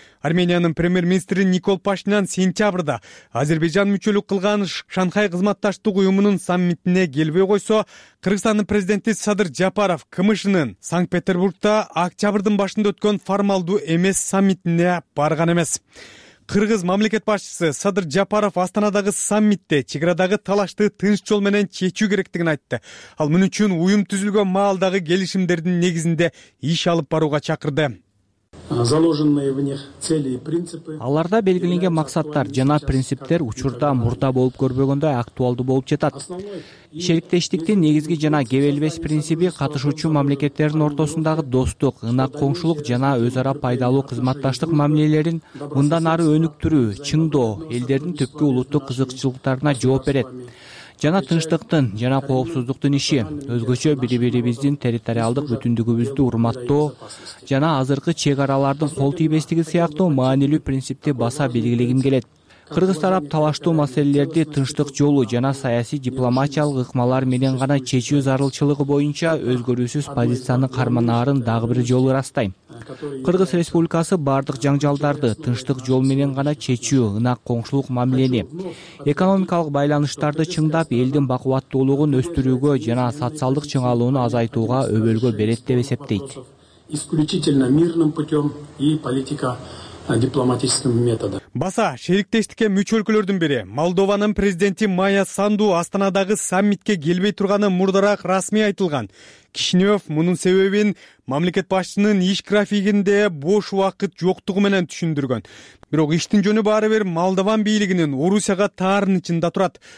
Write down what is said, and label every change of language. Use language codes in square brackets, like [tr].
[ky] Армениянын премьер-министри Никол Пашинян сентябрда Азербайжан мүчөлүк кылган Шанхай кызматташтык уюмунун саммитине келбей койсо, Кыргызстандын президенти Садыр Жапаров КМШ'нын Санкт-Петербургда октябрдын башында өткөн формалдуу эмес саммитине барган эмес. Кыргыз мамлекет башчысы Садыр Жапаров Астанадагы саммитте чекарадагы талашты тынч жол менен чечүү керектигин айтты. Ал мун үчүн уюм түзүлгөн маалдагы келишимдердин негизинде иш алып барууга чакырды. [ru] Заложенные в них цели и принципы. [ky] Аларда белгиленген максаттар жана принциптер учурда мурда болуп көрбөгөндөй актуалдуу болуп жатат. Шериктештиктин негизги жана кебелбес принциби катышуучу мамлекеттердин ортосундагы достук, ынак коңшулук жана өз ара пайдалуу кызматташтык мамилелерин мындан ары өнүктүрүү, чыңдоо элдердин түпкү улуттук кызыкчылыктарына жооп берет. Жана тынчтыктын жана коопсуздуктун иши, өзгөчө бири бирибиздин территориалдык бүтүндүгүбүздү урматтоо жана азыркы чек аралардын кол тийбестиги сыяктуу маанилүү принципти баса белгилегим келет. Кыргыз тарап талаштуу маселелерди тынчтык жолу жана саясий дипломатиялык ыкмалар менен гана чечүү зарылчылыгы боюнча өзгөрүүсүз позициянын карманарын дагы бир жолу ырастайм. Кыргыз Республикасы бардык жаңжалдарды тынчтык жол менен гана чечүү, ынак коңшулук мамилени, экономикалык байланыштарды чыңдап, элдин бакубаттуулугун өстүрүүгө жана социалдык чыңалууну азайтууга өбөлгө берет деп эсептейт. [ru] Исключительно мирным путем и политика дипломатическим методом. [ky] Баса шериктештикке мүчө өлкөлөрдүн бири Молдованын президенти Майя Санду Астанадагы саммитке келбей турганы мурдараак расмий айтылган. Кишинев мунун себебин мамлекет башчынын иш графигинде бош убакыт жоктугу менен түшүндүргөн. Бирок иштин жөнү баары бир Молдован бийлигинин Орусияга таарынычында турат.